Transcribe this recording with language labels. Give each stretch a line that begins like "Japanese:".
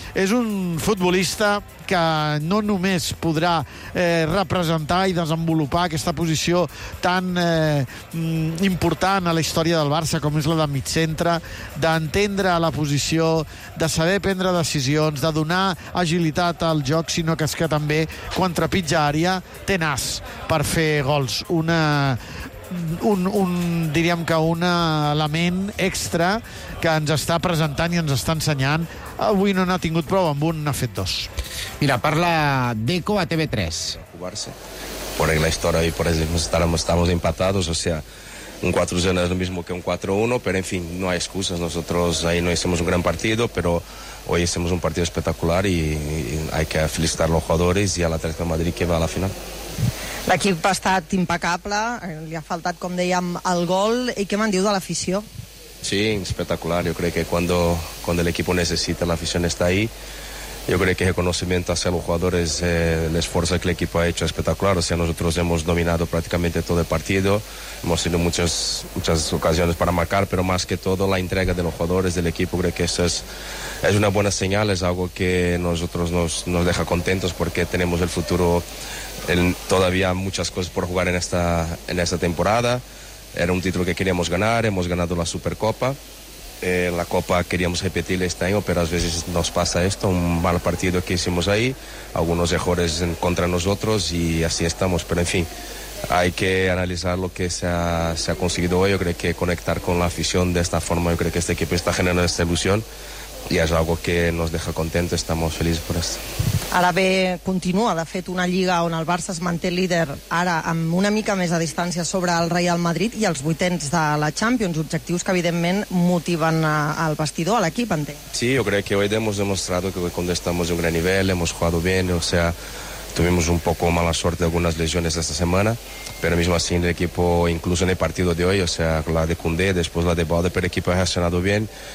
Catalan: És un futbolista que no només podrà representar i desenvolupar aquesta posició tan important a la història del Barça com és la de mig centre, d'entendre la posició, de saber prendre decisions, de donar agilitat al joc, sinó que és que també quan trepitja àrea té nas per fer gols. Diríem que un element extra que ens està presentant i ens està ensenyant. Avui no n'ha tingut prou, amb un n'ha fet dos. Mira, parla Deco a TV3.
Spanish: Por la historia y por eso estamos empatados, o sea, un 4-0 es lo mismo que un 4-1, pero en fin, no hay excusas. Nosotros ahí no hicimos un gran partido, pero hoy hicimos un partido espectacular y hay que felicitar a los jugadores y a l'Atlético de Madrid que va a la final.
Catalan: L'equip ha estat impecable, li ha faltat, com dèiem, el gol. I què me'n diu de l'afició? Sí, espectacular.
Spanish: Yo creo que cuando el equipo necesita, la afición está ahí. Yo creo que el reconocimiento hacia los jugadores, el esfuerzo que el equipo ha hecho es espectacular. O sea, nosotros hemos dominado prácticamente todo el partido. Hemos tenido muchas ocasiones para marcar, pero más que todo la entrega de los jugadores, del equipo, creo que eso es una buena señal. Es algo que nosotros nos deja contentos porque tenemos el futuro. Todavía muchas cosas por jugar en esta temporada. Era un título que queríamos ganar, hemos ganado la Supercopa. La Copa queríamos repetir este año, pero a veces nos pasa esto, un mal partido que hicimos ahí, algunos errores contra nosotros y así estamos. Pero en fin, hay que analizar lo que se ha conseguido hoy. Yo creo que conectar con la afición de esta forma, yo creo que este equipo está generando esta ilusión.
Catalan: I és
Spanish: algo que nos deja contentos, estamos felices por esto.
Catalan: Ara bé, continua, de fet, una lliga on el Barça es manté líder ara amb una mica més de distància sobre el Real Madrid i els vuitens de la Champions, objectius que evidentment motiven al vestidor, a l'equip, entenc.
Spanish: Sí, yo creo que hoy hemos demostrado que cuando estamos en un gran nivel, hemos jugado bien, o sea, tuvimos un poco mala suerte de algunas lesiones esta semana, pero mismo así el equipo, incluso en el partido de hoy, o sea, la de Koundé, después la de Balde, pero el equipo ha reaccionado bien.